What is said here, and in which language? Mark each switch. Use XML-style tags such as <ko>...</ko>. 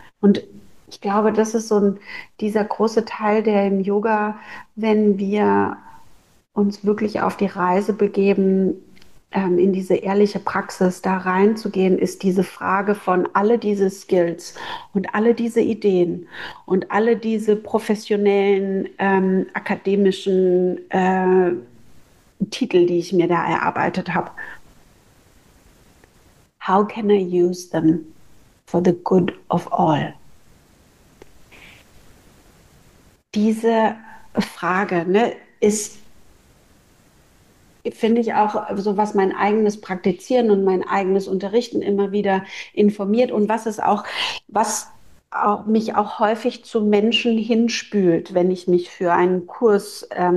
<de>Und ich glaube, das ist so dieser große Teil, der im Yoga, wenn wir uns wirklich auf die Reise begeben, in diese ehrliche Praxis da reinzugehen, ist diese Frage von alle diese Skills und alle diese Ideen und alle diese professionellen, akademischen Titel, die ich mir da erarbeitet habe.</de> <en>How can I use them for the good of all?</en> <de>Diese Frage, ne, ist, finde ich auch so, was mein eigenes Praktizieren und mein eigenes Unterrichten immer wieder informiert und was auch mich auch häufig zu Menschen hinspült, wenn ich mich für einen Kurs</de>